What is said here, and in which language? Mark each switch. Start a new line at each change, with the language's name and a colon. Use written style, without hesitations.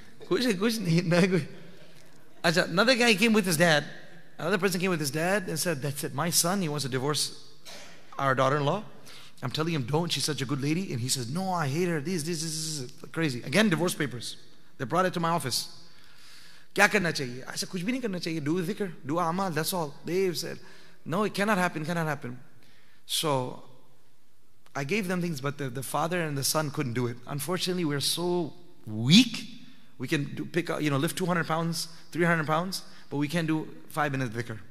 English: Another guy came with his dad. Another person came with his dad and said, that's it. My son, he wants to divorce our daughter-in-law. I'm telling him, don't. She's such a good lady. And he says, no, I hate her. This is crazy. Again, divorce papers. They brought it to my office.
Urdu: کیا کرنا چاہیے?
English: I said,
Urdu: کچھ بھی نہیں کرنا چاہیے.
English: Do dhikr, do amal, that's all. They've said, no, it cannot happen. So I gave them things, but the father and the son couldn't do it. Unfortunately, we're so weak. We can lift 200 pounds, 300 pounds, but we can't do 5 minutes dhikr.